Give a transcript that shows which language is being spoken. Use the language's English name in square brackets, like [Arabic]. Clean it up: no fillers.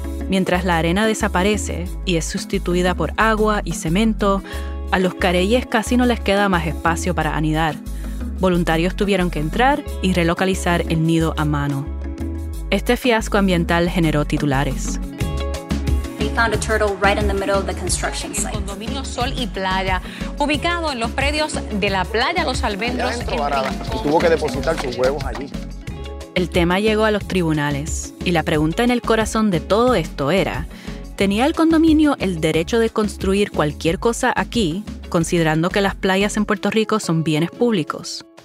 [Spanish] Mientras la arena desaparece y es sustituida por agua y cemento, a los careyes casi no les queda más espacio para anidar. Voluntarios tuvieron que entrar y relocalizar el nido a mano. Este fiasco ambiental generó titulares. [English] found a turtle right in the middle of the construction site. [Spanish] El condominio Sol y Playa, ubicado en los predios de la Playa Los Albendros. Y tuvo que depositar sus huevos allí. El tema llegó a los tribunales y la pregunta en el corazón de todo esto era: ¿tenía el condominio el derecho de construir cualquier cosa aquí, considerando que las playas en Puerto Rico son bienes públicos?